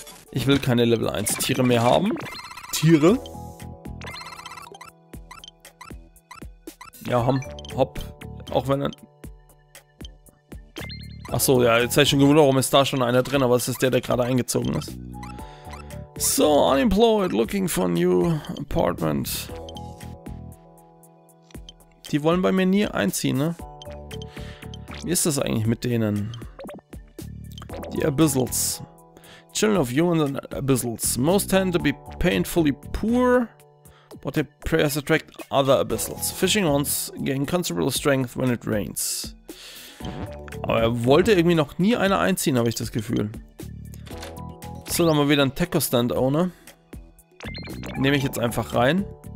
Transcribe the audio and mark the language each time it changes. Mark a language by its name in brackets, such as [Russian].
[German] Ich will keine Level 1 Tiere mehr haben. Tiere. Ja, hopp. Auch wenn er... Achso, ja, jetzt habe ich schon gewundert, warum ist da schon einer drin, aber es ist der, der gerade eingezogen ist. [English] So, unemployed, looking for a new apartment. [German] Die wollen bei mir nie einziehen, ne? Wie ist das eigentlich mit denen? Die Abyssals. [English] Children of humans and Abyssals. Most tend to be painfully poor. But their prayers attract other Abyssals. Fishing ones gain considerable strength when it rains. [German] Aber er wollte irgendwie noch nie einer einziehen, habe ich das Gefühl. So, dann mal wieder ein Techo-Stand-Owner. Nehme ich jetzt einfach rein.